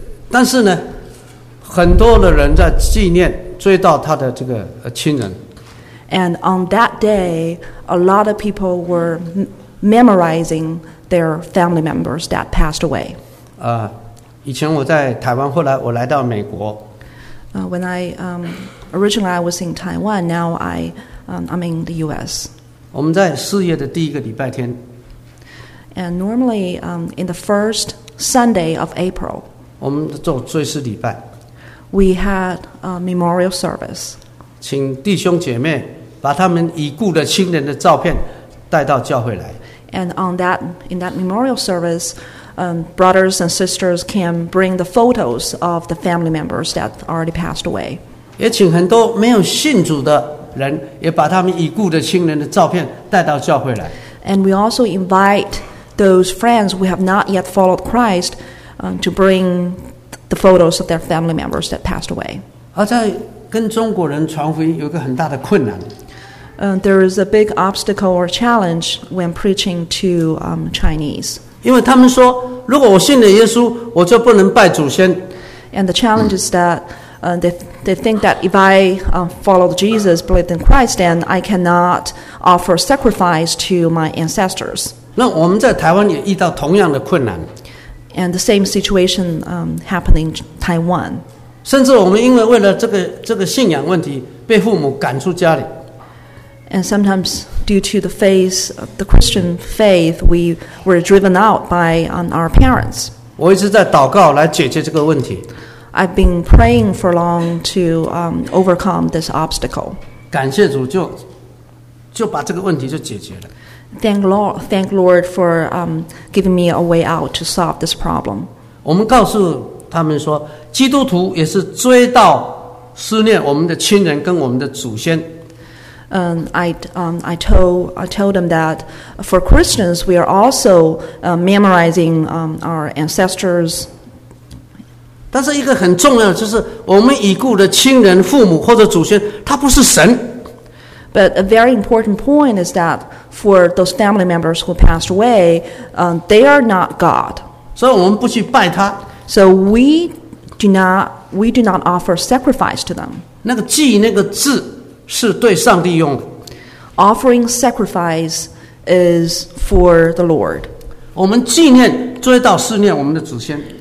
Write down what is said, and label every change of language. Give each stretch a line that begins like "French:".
Chinese: 但是呢，很多的人在纪念追悼他的这个亲人。
English: And on that day, a lot of people were memorizing their family members that passed away.
Chinese: 以前我在台湾，后来我来到美国。
English: When I originally I was in Taiwan, now I'm in the U.S.
Chinese: 我们在四月的第一个礼拜天。
English: And normally, in the first Sunday of April,
Chinese: 我们做追思礼拜。
English: We had a memorial service.
Chinese: 请弟兄姐妹把他们已故的亲人的照片带到教会来。
English: And in that memorial service, brothers and sisters can bring the photos of the family members that already passed away.
Chinese: 也请很多没有信主的人也把他们已故的亲人的照片带到教会来。
English: And we also invite those friends who have not yet followed Christ to bring the photos of their family members that passed away.
Chinese: 在跟中国人传福音有一个很大的困难。
English: There is a big obstacle or challenge when preaching to Chinese.
Chinese: 因为他们说如果我信了耶稣我就不能拜祖先。
English: And the challenge is that they think that if I followed Jesus, believed in Christ, then I cannot offer sacrifice to my ancestors.
Chinese: 那我们在台湾也遇到同样的困难。
English: And the same situation happened in Taiwan.
Chinese: 甚至我们因为了这个信仰问题被父母赶出家里。
English: And sometimes due to the faith, the Christian faith, we were driven out by our parents.
Chinese: 我一直在祷告来解决这个问题。
English: I've been praying for long to overcome this obstacle.
Chinese: 感谢主就把这个问题就解决了。
English: Thank Lord for giving me a way out to solve this problem.
Chinese: 我们告诉他们说，基督徒也是追悼思念我们的亲人跟我们的祖先。
English: I told them that for Christians we are also memorizing our ancestors.
Chinese: 但是一个很重要的就是我们已故的亲人、父母或者祖先，他不是神。
English: But a very important point is that for those family members who passed away, they are not God.
Chinese: 所以我们不去拜他。
English: So we do not offer sacrifice to them.
Chinese: 那个祭那个字是对上帝用的。
English: Offering sacrifice is for the Lord.
Chinese: 我们纪念、追悼、思念我们的祖先。